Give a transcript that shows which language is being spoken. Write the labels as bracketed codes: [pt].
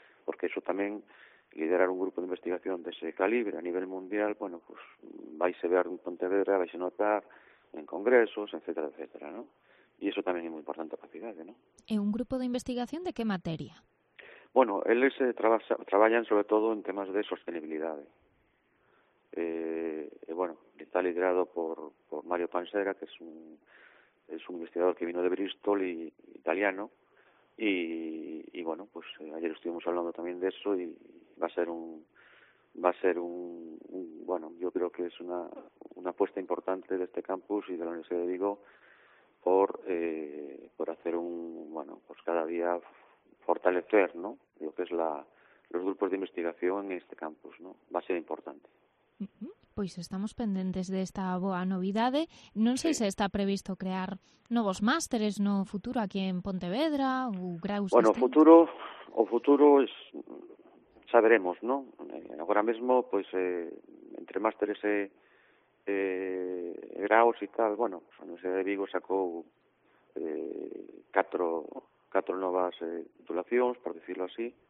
[gl] Porque eso tamén, liderar un grupo de investigación dese calibre a nivel mundial, bueno, pues vaise ver en Pontevedra, vaise notar en congresos, etcétera, ¿no? Y eso tamén é moi importante para a cidade, ¿no? E un grupo de investigación de que materia? Bueno, eles traballan sobre todo en temas de sostenibilidade. [es] Bueno, está liderado por Mario Pansera, que es un investigador que vino de Bristol, y italiano, y bueno, pues ayer estuvimos hablando también de eso, y va a ser un bueno, yo creo que es una apuesta importante de este campus y de la Universidad de Vigo por hacer un, bueno, pues cada día fortalecer, ¿no? Lo que es los grupos de investigación en este campus, ¿no? Va a ser importante. [gl] Pois estamos pendentes desta boa novidade. Non sei se está previsto crear novos másteres no futuro aquí en Pontevedra ou graus. Bueno, o futuro saberemos, ¿no? Agora mesmo, pois entre másteres e graus e tal, bueno, a Universidade de Vigo sacou 4 novas titulacións, [es] por decirlo así.